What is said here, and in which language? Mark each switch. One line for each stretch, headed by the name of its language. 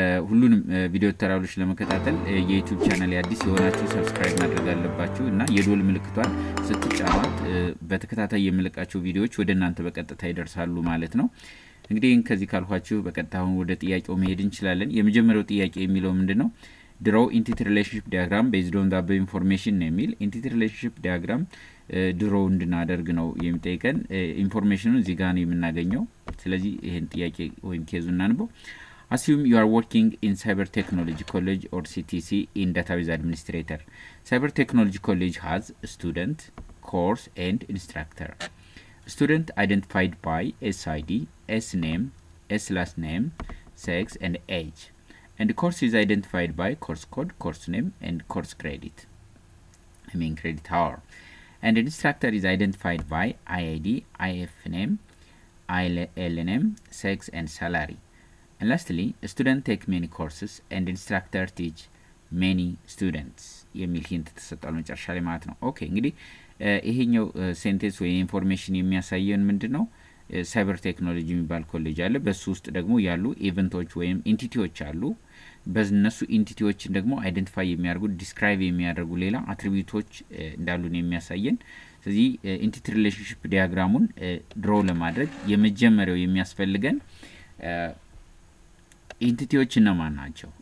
Amharic: ሁሉንም ቪዲዮ ቱቶሪያሎች ለመከታተል የዩቲዩብ ቻናል ያዲስ የሆናችሁ ሰብስክራይብ ማድረግ አለባችሁ እና የዶል ምልክቷን ስትጫኑት በተከታታይ የሚለቀቁ ቪዲዮዎች ወደ እናንተ በቀጥታ ይደርሳሉ ማለት ነው። እንግዲህ ከዚህ ካልኳችሁ በቀጣዩ ወደ ጥያቄው መሄድ እንችላለን። የመጀመሪያው ጥያቄ የሚለው ምንድነው?
English: Draw entity relationship diagram based on the above information nemil entity relationship diagram draw
Amharic: እንድናደርግ ነው የሚጠይቀን። ኢንፎርሜሽኑን እዚህ ጋር ነው የምናገኘው። ስለዚህ ይሄን ጥያቄ ወይም ኬዝ እናንብበው።
English: Assume you are working in cyber technology college or CTC in database administrator. Cyber technology college has student, course and instructor. Student identified by SID, S name, S last name, sex and age. And the course is identified by course code, course name, and course credit. I mean credit hour. And the instructor is identified by IID, IF name, IL name, sex and salary. And lastly, students take many courses and instructor teach many students.
Amharic: የሚል ሂንት ተሰጣለን ጨርሻለሁ ማለት ነው። ኦኬ እንግዲህ ይሄኛው ሴንቴንስ ወይ ኢንፎርሜሽን የሚያሳየን ምንድነው? ሳይበር ቴክኖሎጂ የሚባል ኮሌጅ አለ። በሱ ውስጥ ደግሞ ያሉ ኢቨንቶች ወይም ኢንቲቲዎች አሉ። በነሱ ኢንቲቲዎችን ደግሞ አይደንቲፋይ የሚያርጉ ዲስክራይብ የሚያደርጉ ሌላ አትሪቢዩቶች እንዳሉ ነው የሚያሳየን። ስለዚህ ኢንቲቲ ሪሌሽንሺፕ ዲያግራሙን ድሮው ለማድረግ የመጀመሪያው የሚያስፈልገን ኢንቲቲዎች እነማን ናቸው?